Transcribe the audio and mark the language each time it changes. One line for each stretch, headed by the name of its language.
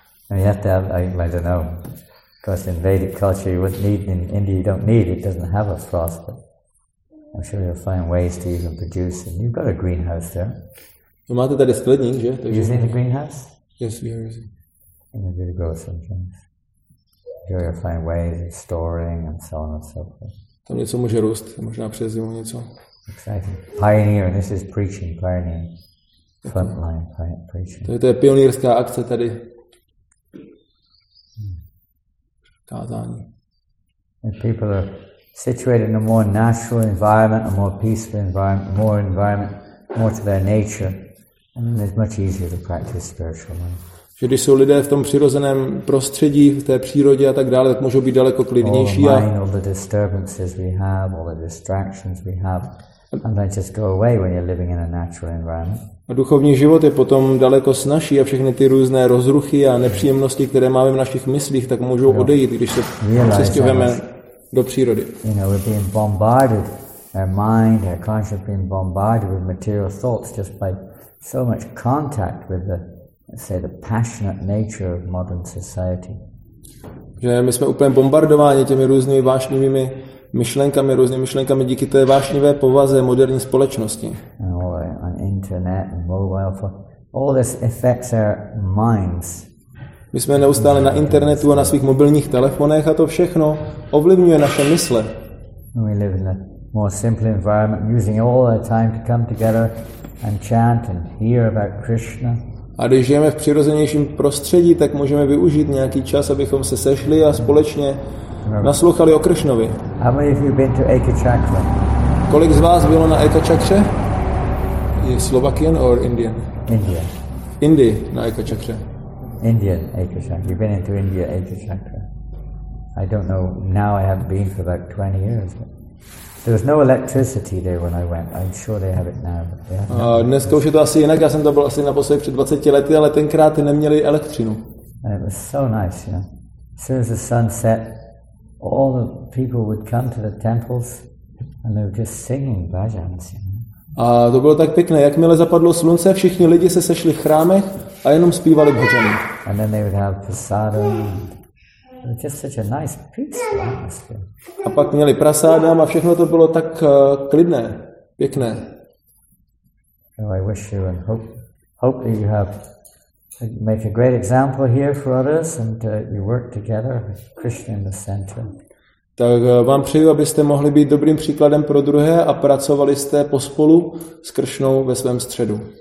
English: And you have to have, I don't know, because in Vedic culture you wouldn't need, in India you don't need, it doesn't have a frost, but I'm sure you'll find ways to even produce. And you've got a greenhouse there. You might have that
Czech: skledník, že?
English: Using the greenhouse? Yes, we are using. And you're going to grow some things. Sure you'll find ways of storing and so on and so forth.
Czech: Tam něco může růst, možná přes zimu něco.
English: Exciting. Pioneer, and this is preaching, pioneer. Frontline preaching.
Czech: To je pionýrská akce tady. Kázání.
English: And people are situated in a more natural environment, a more peaceful environment, more environment, more to their nature, and it's much easier to practice spiritual life.
Czech: Že když jsou lidé v tom přirozeném prostředí, v té přírodě a tak dále, tak můžou být daleko klidnější.
English: All the mind, all the disturbances we have, all the distractions we have, and they just go away when you're living in a natural environment.
Czech: A duchovní život je potom daleko snazší a všechny ty různé rozruchy a nepříjemnosti, které máme v našich myslích, tak můžou odejít, když se přestěhujeme do přírody.
English: You know, we're being bombarded, our mind, our conscience being bombarded with material thoughts just by so much contact with the, say, the passionate nature of modern society.
Czech: Že my jsme úplně bombardováni těmi různými vášnivými myšlenkami, různými myšlenkami díky té vášnivé povaze moderní společnosti.
English: On internet, mobile phone. All this affects our minds.
Czech: My jsme neustále na internetu a na svých mobilních telefonech a to všechno ovlivňuje naše mysle.
English: We live in a more simple environment, using all our time to come together and chant and hear about Krishna.
Czech: A když žijeme v přirozenějším prostředí, tak můžeme využít nějaký čas, abychom se sešli a společně naslouchali o Krishnovi.
English: How many of you been to Ekachakra?
Czech: Kolik z vás bylo na Ekachakře?
English: Je Slovakian or Indian? Indian.
Czech: Indy na Ekachakře.
English: Indian Ekachakra. You've been into India Ekachakra. I don't know, now I haven't been for about 20 years. But there was no electricity there when I went. I'm sure they have it now.
Czech: Dneska už je to asi jinak, já jsem to byl asi naposledy před 20 lety, ale tenkrát neměli elektřinu.
English: And it was so nice, you know. As soon as the sun set, all the people would come to the temples and they were just singing bhajans, you know.
Czech: A to bylo tak pěkné, jakmile zapadlo slunce, všichni lidi se sešli v chrámech a jenom zpívali bhajany.
English: And then they would have prasada. It's just such a nice peaceful atmosphere.
Czech: A pak měli prasáda a všechno to bylo tak klidné, pěkné.
English: So I wish you and hope that you have make a great example here for others and you work together with Krishna in the center.
Czech: Tak vám přeju, abyste mohli být dobrým příkladem pro druhé a pracovali jste pospolu s Kršnou ve svém středu.